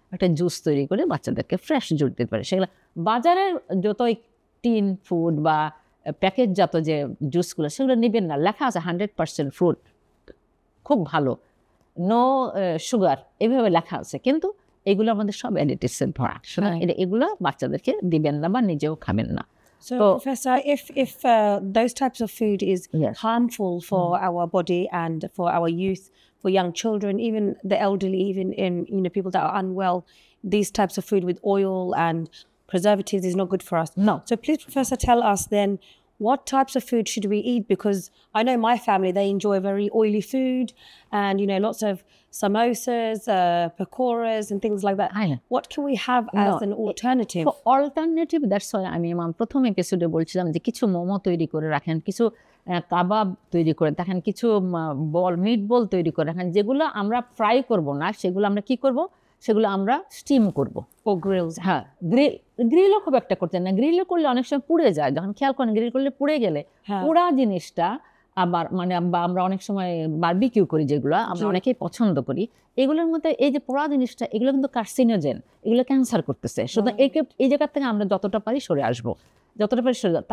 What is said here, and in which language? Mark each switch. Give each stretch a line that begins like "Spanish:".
Bangla: একটা জুস তৈরি করে বাচ্চাদেরকে ফ্রেশ জুস দিতে পারি। সেগুলো বাজারের যতই টিন ফুড বা প্যাকেটজাত যে জুসগুলো সেগুলো নেবেন না, লেখা আছে 100% ফ্রুট, খুব ভালো, নো সুগার, এভাবে লেখা আছে, কিন্তু এগুলো আমাদের সব অ্যাডিটিভসের ভরা, এগুলো বাচ্চাদেরকে দিবেন না বা নিজেও খাবেন না।
English: So, Professor, if those types of food is harmful for our body and for our youth, for young children, even the elderly, even in, you know, people that are unwell, these types of food with oil and preservatives is not good for us. No. So please, Professor, tell us then, what types of food should we eat? Because I know my family, they enjoy very oily food and, you know, lots of samosas, pakoras and things like that. What can we have as an alternative? For alternative, that's why I mean,
Bangla: প্রথম এপিসোডে বলছিলাম যে কিছু মোমো তৈরি করে রাখেন, কিছু কাবাব তৈরি করে রাখেন, কিছু বল মিট বল তৈরি করে রাখেন, যেগুলো আমরা ফ্রাই করব না, সেগুলো আমরা কি করব? সেগুলো আমরা স্টিম করব। ও গ্রিলস, হ্যাঁ গ্রিলও খুব একটা করতে না, গ্রিলও করলে অনেক সময় পুড়ে যায়, যখন খেয়াল করেন গ্রিল করলে পুড়ে গেলে পুরা জিনিসটা আবার, মানে আমরা অনেক সময় বারবিকিউ করি যেগুলো আমরা অনেকেই পছন্দ করি, এগুলোর মধ্যে এই যে পোড়া জিনিসটা এগুলো কিন্তু কার্সিনোজেন, এগুলো ক্যান্সার করতেছে, সুতরাং একে এই জায়গার থেকে আমরা যতটা পারি সরে আসবো, যতটা পারি সরে যাবো।